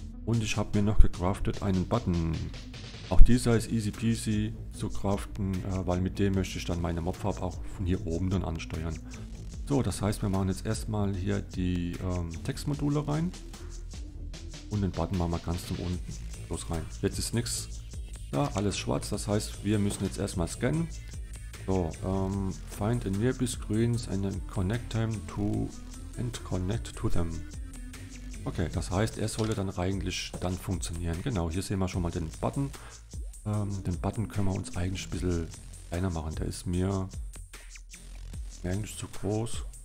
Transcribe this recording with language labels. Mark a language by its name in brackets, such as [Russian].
[German] Und ich habe mir noch gecraftet einen Button. Auch dieser ist easy peasy zu craften, weil mit dem möchte ich dann meine Mobfarbe auch von hier oben dann ansteuern. So, das heißt, wir machen jetzt erstmal hier die Textmodule rein und den Button machen wir ganz zum unten los rein. Jetzt ist nichts. Ja, alles schwarz, das heißt, wir müssen jetzt erstmal scannen. [English] So, find a nearby screens and then connect them to and connect to them. [German] Okay, das heißt, er sollte dann eigentlich dann funktionieren. Genau, hier sehen wir schon mal den Button. Den Button können wir uns eigentlich ein bisschen kleiner machen. Der ist mir eigentlich zu groß.